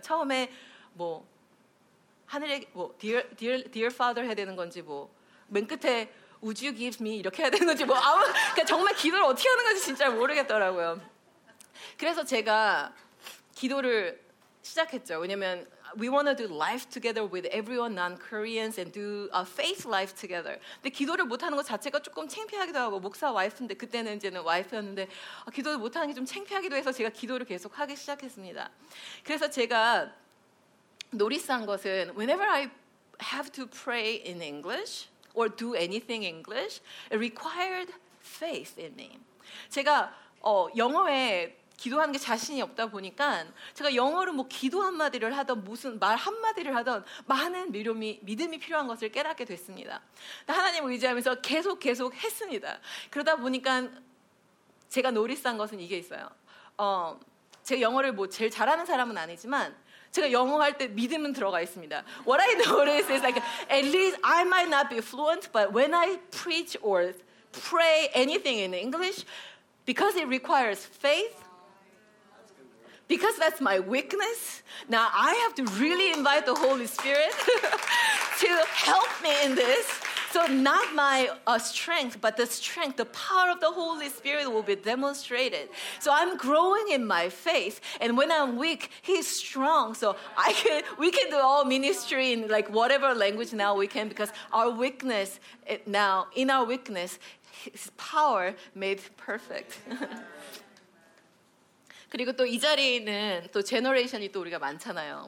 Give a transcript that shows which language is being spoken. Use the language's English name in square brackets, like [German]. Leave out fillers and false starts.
[Korean] 처음에 뭐 하늘에 뭐 [English] dear father [Korean] 해야 되는 건지 뭐 맨 끝에 [English] Would you give me? [Korean] 이렇게 해야 되는 건지 뭐 아무 그러니까 정말 기도를 어떻게 하는 건지 진짜 모르겠더라고요. 그래서 제가 기도를 시작했죠. 왜냐면 [English] we want to do life together with everyone non-Koreans and do a faith life together. [Korean] 근데 기도를 못하는 것 자체가 조금 창피하기도 하고 목사 와이프인데 그때는 이제는 와이프였는데 기도를 못하는 게 좀 창피하기도 해서 제가 기도를 계속 하기 시작했습니다. 그래서 제가 노리스한 것은 [English] whenever I have to pray in English, or do anything English, it required faith in me. [Korean] 제가 영어에 기도하는 게 자신이 없다 보니까 제가 영어로 뭐 기도 한마디를 하던 무슨 말 한마디를 하던 많은 믿음이 필요한 것을 깨닫게 됐습니다. 하나님을 의지하면서 계속 했습니다. 그러다 보니까 제가 노리스한 것은 이게 있어요. 제가 영어를 뭐 제일 잘하는 사람은 아니지만 제가 영어할 때 믿음은 들어가 있습니다. [English] What I notice is like at least I might not be fluent, but when I preach or pray anything in English, because it requires faith, because that's my weakness, now I have to really invite the Holy Spirit to help me in this. So not my strength, but the strength, the power of the Holy Spirit will be demonstrated. So I'm growing in my faith, and when I'm weak, He's strong. So we can do all ministry in like whatever language now we can, because our weakness, now in our weakness, His power made perfect. [Korean] 그리고 또 이 자리에는 또 제너레이션이 또 우리가 많잖아요.